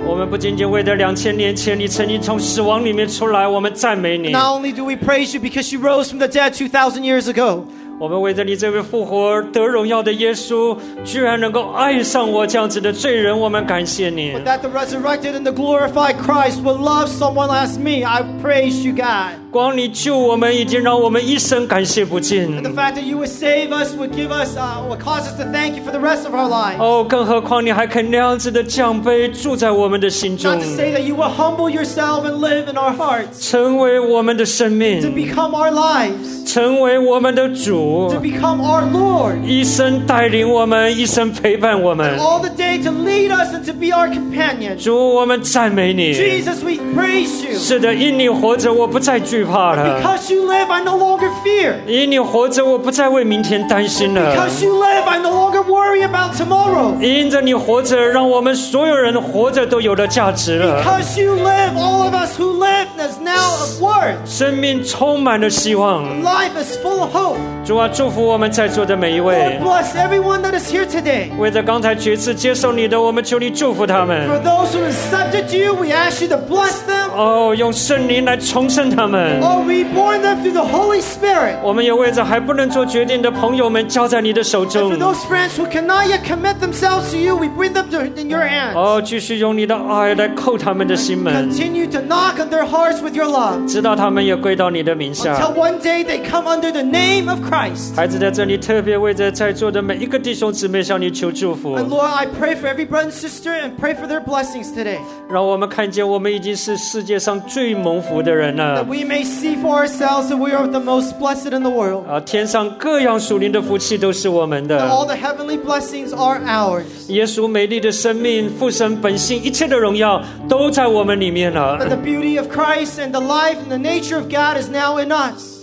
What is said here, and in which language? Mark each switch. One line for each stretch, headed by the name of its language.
Chinese: 不仅仅为了两千年前你曾经从死亡里面出来，我们赞美你。
English: Not only do we praise you because you rose from the dead 2,000 years ago.
Chinese: 我们为着你这位复活得荣耀的耶稣居然能够爱上我这样子的罪人，我们感谢你。
English: But that the resurrected and the glorified Christ will love someone as me, I praise you God.
Chinese: 光你救我们已经让我们一生感谢不尽。
English: And the fact that you would save us would give us, would cause us to thank you for the rest of our lives.
Chinese: 更何况你还肯那样子的降卑住在我们的心中。
English: Not to say that you will humble yourself and live in our hearts.
Chinese: 成为我们的生命。
English: To become our lives.
Chinese: 成为我们的主。
English: To become our Lord,
Chinese: 一生带领我们，一生陪伴我们。
English: All the day to lead us and to be our companion.
Chinese: 主，我们赞美你。
English: Jesus, we praise you.
Chinese: 是的，因你活着，我不再惧怕了。
English: Because you live, I no longer fear.
Chinese: 因你活着，我不再为明天担心了。
English: Because you live, I no longer worry about tomorrow.
Chinese: 因着你活着，让我们所有人活着都有了价值了。
English: Because you live, all of us who live is now of worth.
Chinese: 生命充满了希望。
English: Life is full of hope.
Chinese: 主啊，祝福我们在座的每一位。
English: Lord, bless everyone that is here today.
Chinese: 为着刚才决志接受你的，我们求你祝福他们。
English: For those who accepted you, we ask you to bless them.
Chinese: 用圣灵来重生他们。
English: Oh, reborn them through the Holy Spirit.
Chinese: 我们也为着还不能做决定的朋友们交在你的手中。
English: And for those friends who cannot yet commit themselves to you, we bring them in your hands.
Chinese: 继续用你的爱来叩他们的心门。
English: Continue to knock on their hearts with your love.
Chinese: 直到他们也归到你的名下。
English: Until one day they come under the name of Christ.
Chinese: 孩子在这里特别为着在座的每一个弟兄姊妹向你求祝福。
English: And Lord, I pray for every brother and sister and pray for their blessings today.
Chinese: 让我们看见我们已经是世界上最蒙福的人了。
English: That we may see for ourselves that we are the most blessed in the world.
Chinese: 天上各样属灵的福气都是我们的。
English: That all the heavenly blessings are ours.
Chinese: 耶稣美丽的生命、父神本性、一切的荣耀都在我们里面了。
English: That the beauty of Christ and the life and the nature of God is now in us.